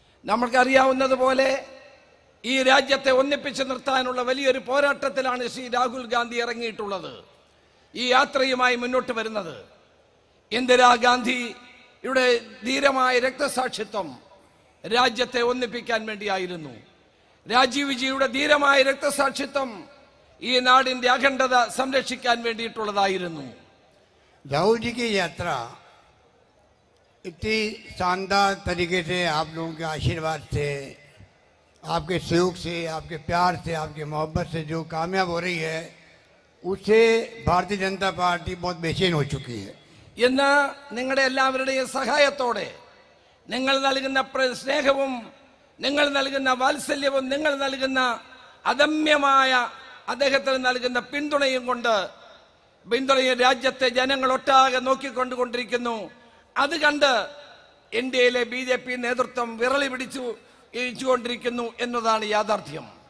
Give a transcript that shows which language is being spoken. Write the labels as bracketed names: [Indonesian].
[Malayalam] നമുക്ക് അറിയാവുന്നതുപോലെ ഈ രാജ്യത്തെ ഒന്നിപ്പിച്ച് നിർത്താനുള്ള വലിയൊരു പോരാട്ടത്തിലാണ് ശ്രീ രാഹുൽ ഗാന്ധി ഇറങ്ങിയിട്ടുള്ളത് ഈ യാത്രയുമായി മുന്നോട്ട് വരുന്നത് ഇന്ദിരാഗാന്ധി ഇവിടെ ധീരമായ രക്തസാക്ഷിത്വം രാജ്യത്തെ ഒന്നിപ്പിക്കാൻ വേണ്ടിയായിരുന്നു രാജീവ് ജിയുടെ ധീരമായ രക്തസാക്ഷിത്വം ഈ നാടിന്റെ അഖണ്ഡത സംരക്ഷിക്കാൻ വേണ്ടിയിട്ടുള്ളതായിരുന്നു [Hindi] राहुल जी की यात्रा इतनी शानदार तरीके से आप लोगों के आशीर्वाद से आपके सहयोग से आपके प्यार से आपके मोहब्बत से जो कामयाब हो रही है उससे भारतीय जनता पार्टी बहुत बेचैन हो चुकी है [Malayalam] इन നിങ്ങളുടെ എല്ലാവരുടെയും സഹായത്തോടെ നിങ്ങൾ നൽകുന്ന സ്നേഹവും നിങ്ങൾ നൽകുന്ന വാത്സല്യവും നിങ്ങൾ നൽകുന്ന അദമ്യമായ അദ്ദേഹത്തിന് നൽകുന്ന പിന്തുണയും കൊണ്ട് പിന്തുണയ രാജ്യത്തെ ജനങ്ങൾ ഒട്ടാകെ നോക്കിക്കൊണ്ടുകൊണ്ടിരിക്കുന്നു അത് കണ്ട് ഇന്ത്യയിലെ ബി ജെ പി നേതൃത്വം വിരളി പിടിച്ചു ഇരിച്ചുകൊണ്ടിരിക്കുന്നു എന്നതാണ് യാഥാർത്ഥ്യം